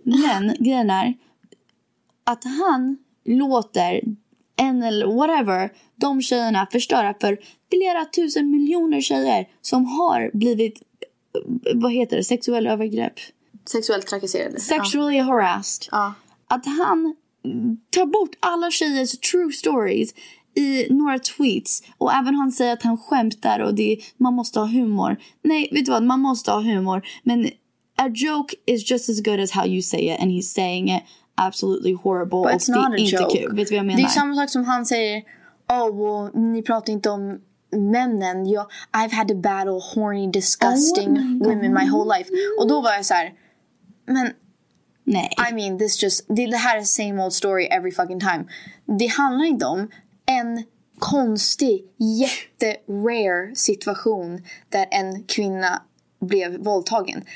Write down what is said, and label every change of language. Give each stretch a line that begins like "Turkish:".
Swedish: Men grejen är att han låter en eller whatever, de tjejerna förstöra för flera tusen miljoner tjejer som har blivit, vad heter det, sexuella övergrepp. Sexuellt trakasserade.
English: Sexually harassed.
Swedish: Ja. Att han tar bort alla tjejers
English: true stories
Swedish: i några tweets. Och även han säger att han skämtar och det, man måste ha humor. Nej, vet du vad, man måste ha humor. Men
English: a joke is just as good as how you say it, and he's saying it. Absolutely horrible. But it's not a joke.
Swedish: Vet du vad jag menar? Det är samma sak som han säger, oh, well, ni pratar inte om männen. Jag,
English: I've had to battle horny, disgusting women my whole life.
Swedish: Och då var jag så här, men, nej.
English: I mean, this just,
Swedish: det här är
English: same old story every fucking time.
Swedish: Det handlar inte om en konstig, jätterare situation där en kvinna blev våldtagen.